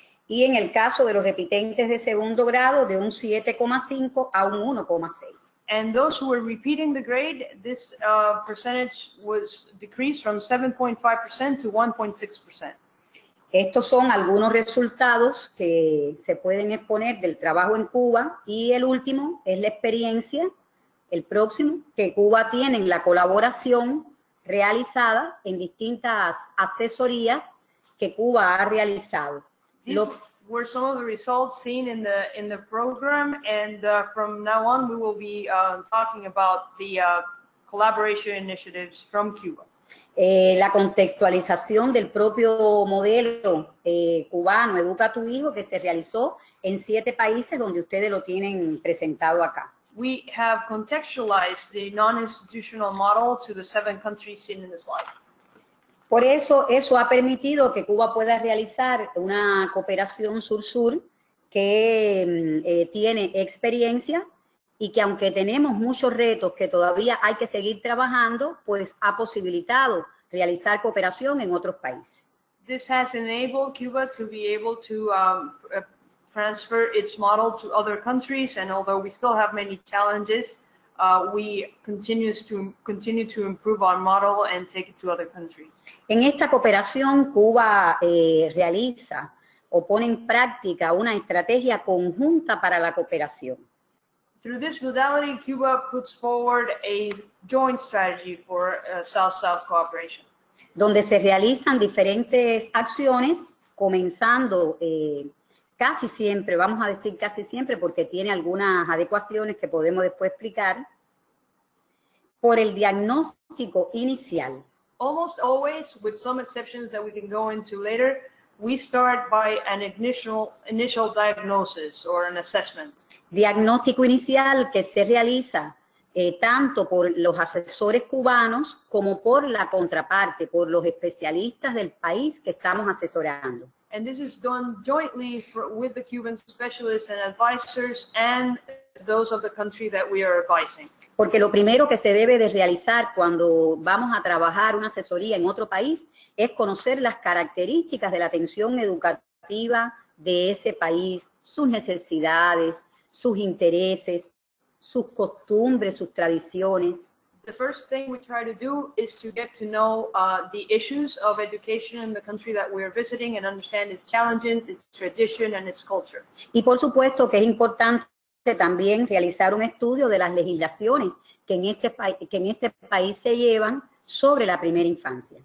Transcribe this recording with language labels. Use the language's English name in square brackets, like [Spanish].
[Spanish] Y en el caso de los repitentes de segundo grado, de un 7,5 a un 1,6. [English] And those who were repeating the grade, this percentage was decreased from 7.5% to 1.6%. [Spanish] Estos son algunos resultados que se pueden exponer del trabajo en Cuba. Y el último es la experiencia, el próximo, que Cuba tiene en la colaboración realizada en distintas asesorías que Cuba ha realizado. [English] These were some of the results seen in the program, and from now on we will be talking about the collaboration initiatives from Cuba. [Spanish] La contextualización del propio modelo cubano Educa a tu Hijo que se realizó en siete países donde ustedes lo tienen presentado acá. [English] We have contextualized the non-institutional model to the seven countries seen in this slide. [Spanish] Por eso, eso ha permitido que Cuba pueda realizar una cooperación sur-sur que tiene experiencia y que aunque tenemos muchos retos que todavía hay que seguir trabajando, pues ha posibilitado realizar cooperación en otros países. [English] This has enabled Cuba to be able to transfer its model to other countries, and although we still have many challenges, we continue to improve our model and take it to other countries. [Spanish] En esta cooperación, Cuba realiza o pone en práctica una estrategia conjunta para la cooperación. [English] Through this modality, Cuba puts forward a joint strategy for South-South cooperation. [Spanish] Donde se realizan diferentes acciones, comenzando casi siempre, vamos a decir casi siempre, porque tiene algunas adecuaciones que podemos después explicar. Por el diagnóstico inicial. [English] Almost always, with some exceptions that we can go into later, we start by an initial diagnosis or an assessment. [Spanish] Diagnóstico inicial que se realiza tanto por los asesores cubanos como por la contraparte, por los especialistas del país que estamos asesorando. [English] And this is done jointly with the Cuban specialists and advisors and those of the country that we are advising. [Spanish] Porque lo primero que se debe de realizar cuando vamos a trabajar una asesoría en otro país es conocer las características de la atención educativa de ese país, sus necesidades, sus intereses, sus costumbres, sus tradiciones. [English] The first thing we try to do is to get to know the issues of education in the country that we are visiting and understand its challenges, its tradition, and its culture. [Spanish] Y por supuesto que es importante también realizar un estudio de las legislaciones que en este país se llevan sobre la primera infancia.